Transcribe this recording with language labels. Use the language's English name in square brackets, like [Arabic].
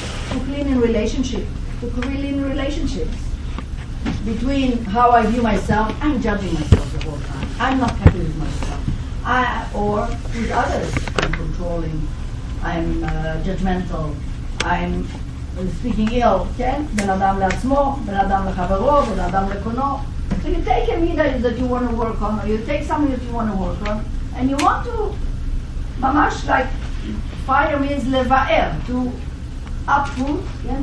[English] To clean in relationship. To clean in relationships. Between how I view myself, I'm judging myself the whole time. I'm not happy with myself. Or with others, I'm controlling, I'm judgmental, I'm speaking ill, כן? [Hebrew] בן אדם לעצמו, בן אדם לחברו, בן אדם לקונו. [English] So you take a midah that you want to work on, or you take something that you want to work on, and you want to, ממש like, fire means leva'er, to uproot, yeah?